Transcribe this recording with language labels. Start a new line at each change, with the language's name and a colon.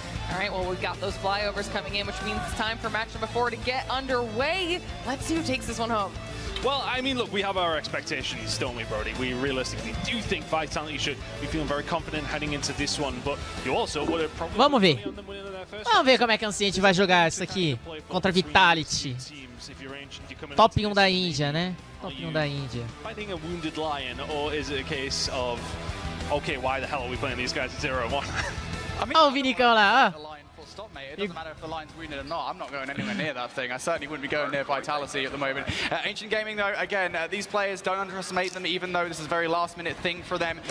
English: All right, well, we've got those flyovers coming in, which means it's time for match number four to get underway. Let's see who takes this one home. Well, I mean, look, we have our expectations, don't we, Brody? We realistically do think Vitality should be feeling very confident heading into this one, but you also would have probably...
Portuguese: Vamos ver. Vamos ver como é que a Ancient vai jogar isso aqui contra Vitality. Top 1 da Índia, né? Top 1 da Índia.
English: Fighting a wounded lion, or is it a case of, okay, why the hell are we playing these guys at 0-1?
Portuguese: Olha o Vinicão lá, ó.
English: Stop, mate. It doesn't matter if the line's wounded or not. I'm not going anywhere near that thing. I certainly wouldn't be going near Vitality at the moment. Ancient Gaming, though, again, these players don't underestimate them, even though this is a very last-minute thing for them.